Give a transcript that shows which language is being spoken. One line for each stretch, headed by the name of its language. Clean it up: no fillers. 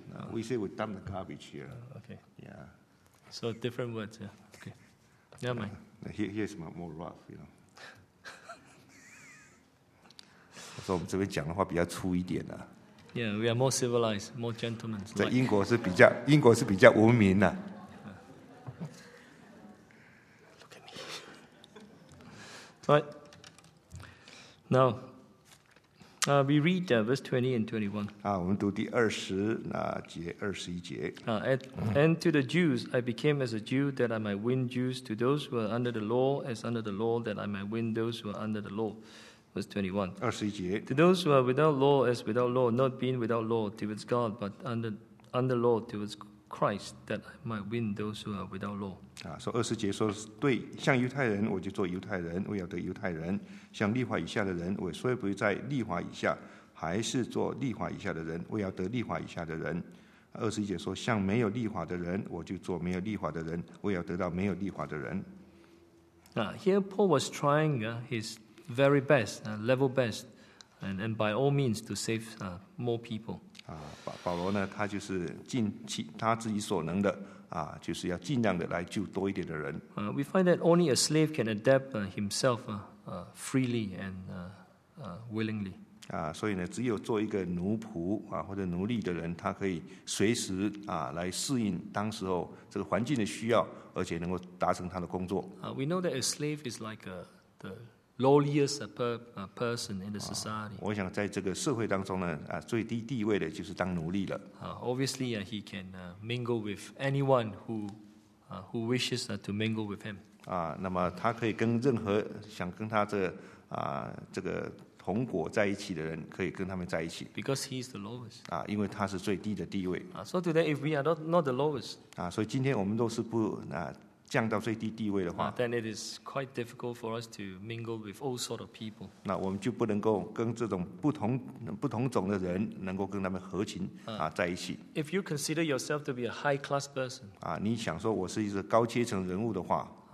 English: We say we dump the garbage here. Okay. Yeah. So different words. Yeah. Okay. Never mind. Here's more rough, you know.
Chinese: 我说我们这边讲的话比较粗一点的。
English: Yeah, we are more civilized, more gentlemen.
Chinese: 在英国是比较，英国是比较文明的。
English: Look at me. Right. Now, we read verse 20 and 21.
Chinese: 我们读第二十节，二十一节。
English: And to the Jews, I became as a Jew that I might win Jews; to those who are under the law, as under the law, that I might win those who are under the law. Verse 21. To those who are without law, as without law, not being without law, towards God, but under law, towards Christ, that I might win those who are without law.
Chinese: 所以二十节说，对，像犹太人，我就做犹太人，为要得犹太人；像律法以下的人，我虽不在律法以下，还是做律法以下的人，为要得律法以下的人。二十一节说，像没有律法的人，我就做没有律法的人，为要得到没有律法的人。
English: Here Paul was trying his very best, level best, and by all means to save more people.
Chinese: 保罗呢，他就是尽其他自己所能的啊，就是要尽量的来救多一点的人。
English: We find that only a slave can adapt himself freely and willingly.
Chinese: 所以呢，只有做一个奴仆或者奴隶的人，他可以随时来适应当时候这个环境的需要，而且能够达成他的工作。
English: We know that a slave is like the lowliest person in the society.
Chinese: 我想在这个社会当中呢，最低地位的就是当奴隶了。
English: Obviously, he can mingle with anyone who wishes to mingle with him.
Chinese: 那么他可以跟任何想跟他这个同伙在一起的人，可以跟他们在一起。
English: Because he is the lowest.
Chinese: 因为他是最低的地位。
English: So today, if we are not the lowest.
Chinese: 所以今天我们都是不降到最低地位的话，
English: then it is quite difficult for us to mingle with all sort of people.
Chinese: 那我们就不能够跟这种不同种的人能够跟他们合群在一起。
English: If you consider yourself to be a high class person,
Chinese: 你想说我是一个高阶层人物的话，